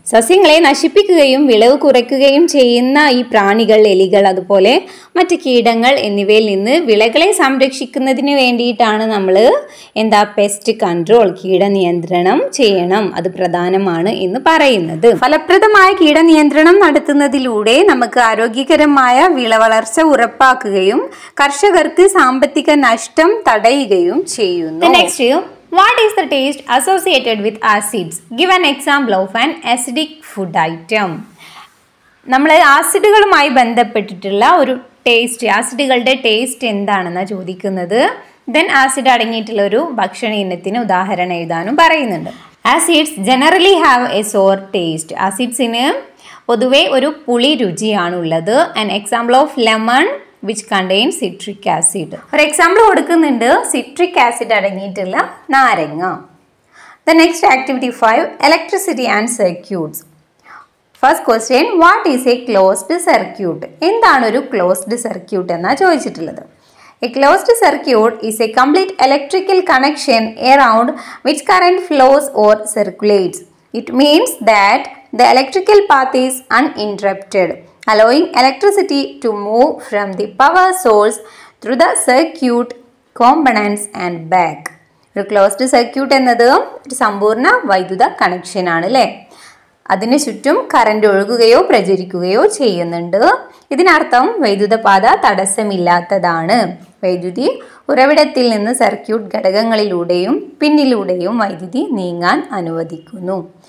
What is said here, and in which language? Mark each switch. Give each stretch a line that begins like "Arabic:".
Malayalam: സസ്യങ്ങളെ നശിപ്പിക്കുകയും വിളവ് കുറയ്ക്കുകയും ചെയ്യുന്ന ഈ പ്രാണികൾ, എലികൾ, അതുപോലെ മറ്റ് കീടങ്ങൾ എന്നിവയിൽ നിന്ന് വിളകളെ സംരക്ഷിക്കുന്നതിന് വേണ്ടിയിട്ടാണ് നമ്മൾ എന്താ പെസ്റ്റ് കൺട്രോൾ, കീടനിയന്ത്രണം ചെയ്യണം, അത് പ്രധാനമാണ് എന്ന് പറയുന്നത്. ഫലപ്രദമായ കീടനിയന്ത്രണം നടത്തുന്നതിലൂടെ നമുക്ക് ആരോഗ്യകരമായ വിള വളർച്ച ഉറപ്പാക്കുകയും കർഷകർക്ക് സാമ്പത്തിക നഷ്ടം തടയുകയും ചെയ്യുന്നു.
English: Next, what is the taste associated with acids? Give an example of an acidic food item.
Malayalam: നമ്മൾ ആസിഡുകളുമായി ബന്ധപ്പെട്ടിട്ടുള്ള ഒരു ടേസ്റ്റ്, ആസിഡുകളുടെ ടേസ്റ്റ് എന്താണെന്നാണ് ചോദിക്കുന്നത്. ദെൻ ആസിഡ് അടങ്ങിയിട്ടുള്ള ഒരു ഭക്ഷണ ഇനത്തിന് ഉദാഹരണം എഴുതാനും പറയുന്നുണ്ട്.
English: Acids generally have a sour taste.
Malayalam: ആസിഡ്സിന് പൊതുവെ ഒരു പുളി രുചിയാണുള്ളത്.
English: An example of lemon which contains citric acid. For example,
Malayalam: കൊടുക്കുന്നുണ്ട്
English: citric acid
Malayalam: അടങ്ങിയിട്ടുള്ള നാരങ്ങ.
English: The next activity 5, electricity and circuits. First question, what is a closed circuit?
Malayalam: എന്താണ് ഒരു closed circuit എന്നാണ് ചോദിച്ചിട്ടുള്ളത്.
English: A closed circuit is a complete electrical connection around which current flows or circulates. It means that the electrical path is uninterrupted, allowing electricity to move from the power source through the circuit components and back.
Malayalam: ഒരു closed circuit എന്നത് ഒരു സമ്പൂർണ്ണ വൈദ്യുത കണക്ഷനാണ് അല്ലേ. അതിന് ചുറ്റും current ഒഴുകുകയോ പ്രചരിക്കുകയോ ചെയ്യുന്നുണ്ട്. ഇതിനർത്ഥം വൈദ്യുത പാത തടസ്സമില്ലാത്തതാണ്. വൈദ്യുതി ഉറവിടത്തിൽ നിന്ന് സർക്യൂട്ട് ഘടകങ്ങളിലൂടെയും പിന്നിലൂടെയും വൈദ്യുതി നീങ്ങാൻ അനുവദിക്കുന്നു.